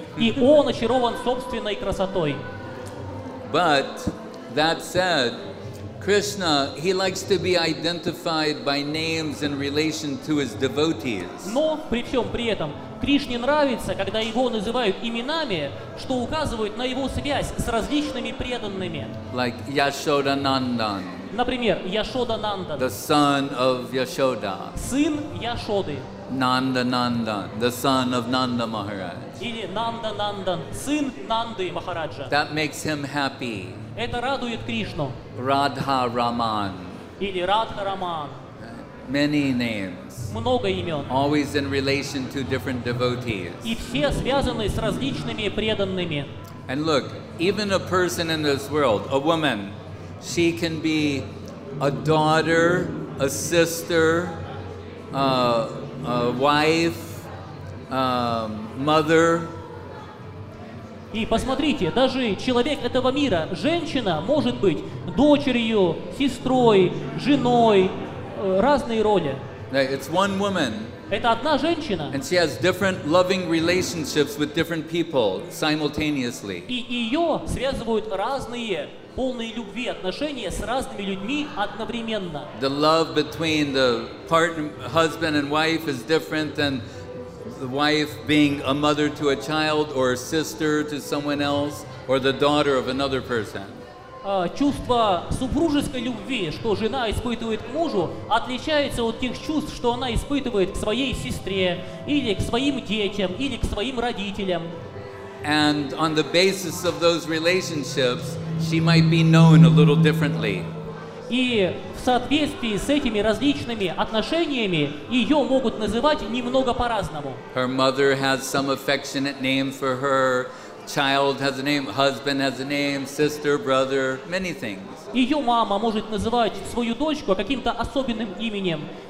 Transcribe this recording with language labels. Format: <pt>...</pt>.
<ru>И он очарован собственной красотой.</ru> <en>But that said, Krishna, he likes to be identified by names in relation to his devotees.</en> <ru>Но при всем при этом Кришне нравится, когда его называют именами, что указывают на его связь с различными преданными.</ru> <en>Like Yashoda Nandan.</en> <ru>Например, Яшода Нандан.</ru> <en>The son of Yashoda.</en> <ru>Сын Яшоды.</ru> <en>Nanda Nandan, the son of Nanda Maharaj.</en> <ru>Или Нанда Нандан, сын Нанды Махараджа.</ru> <en>That makes him happy.</en> <ru>Это радует Кришну.</ru> <en>Radha Raman.</en> <ru>Или Radha Raman.</ru> <en>Many names.</en> <ru>Много имен.</ru> <en>Always in relation to different devotees.</en> <ru>И все связаны с различными преданными.</ru> <en>And look, even a person in this world, a woman, she can be a daughter, a sister, a wife, mother.</en> <ru>И посмотрите, даже человек этого мира, женщина, может быть дочерью, сестрой, женой, разные роли.</ru> <en>It's one woman.</en> <ru>Это одна женщина.</ru> <en>And she has different loving relationships with different people simultaneously.</en> <ru>И ее связывают разные полные любви отношения с разными людьми одновременно.</ru> <en>The love between the partner, husband and wife is different than the wife being a mother to a child or a sister to someone else or the daughter of another person.</en> <ru>Чувство супружеской любви, что жена испытывает к мужу, отличается от тех чувств, что она испытывает к своей сестре или к своим детям или к своим родителям.</ru> <en>And on the basis of those relationships, she might be known a little differently.</en> <ru>И в соответствии с этими различными отношениями ее могут называть немного по-разному.</ru> <en>Her mother has some affectionate name for her. Child has a name, husband has a name, sister, brother, many things.</en> <ru>Ее мама может называть свою дочку каким-то особенным именем.</ru>